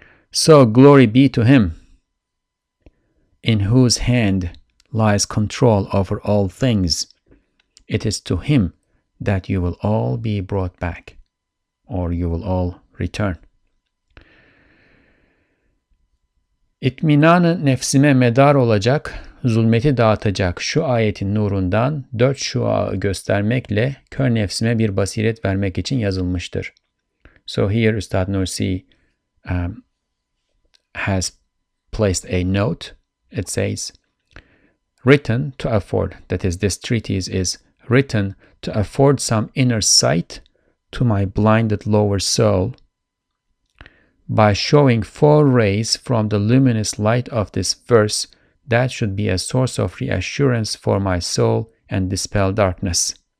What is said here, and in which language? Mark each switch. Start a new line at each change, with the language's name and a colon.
English: So glory be to him in whose hand lies control over all things. It is to him that you will all be brought back, or you will all return.
Turkish: İtminanı nefsime medar olacak, zulmeti dağıtacak şu ayetin nurundan dört şuağı göstermekle kör nefsime bir basiret vermek için yazılmıştır.
English: So here Ustad Nursi has placed a note. It says, written to afford, that is, this treatise is written to afford some inner sight to my blinded lower soul by showing four rays from the luminous light of this verse that should be a source of reassurance for my soul and dispel darkness.